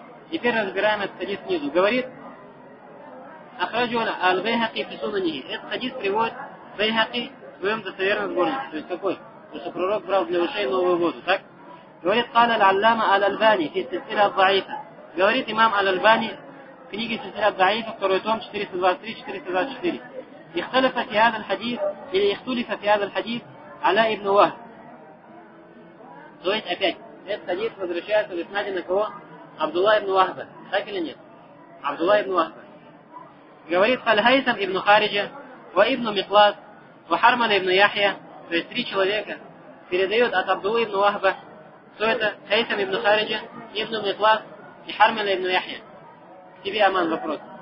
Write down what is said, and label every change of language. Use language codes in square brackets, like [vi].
[ru] Теперь разбираем этот хадис снизу. Говорит, [ar] ахраджу аль-байхаки фисунанихи. [ru] Этот хадис приводит байхаки в своем достоверном сборнике. То есть какой? Потому что пророк брал для ушей новую воду, так? Говорит, [ar] قَالَ الْعَلَّامَ [ru] аль-альбани фи сильсиля аль-дайфа. Говорит имам аль-альбани в книге сильсиля аль-дайфа, второй том, 423-424. [ar] اختلف في هذا الحديث [ru] или [ar] اختلف في هذا الحديث على ابن وهب. [ru] То есть, опять, этот хадис возвращается в иснаде на кого? Абдулла ибн Вахба. Так или нет? Абдулла ибн Вахба. говорит Аль-Хайсам ибн Хариджа, ва ибн Миклад, ва Харман ибн Яхья, то есть три человека, передает от Абдулы ибн Вахба, что это Хайсам ибн Хариджа, ибн Миклад и Хармана ибн Яхья. К тебе, Аман, вопрос.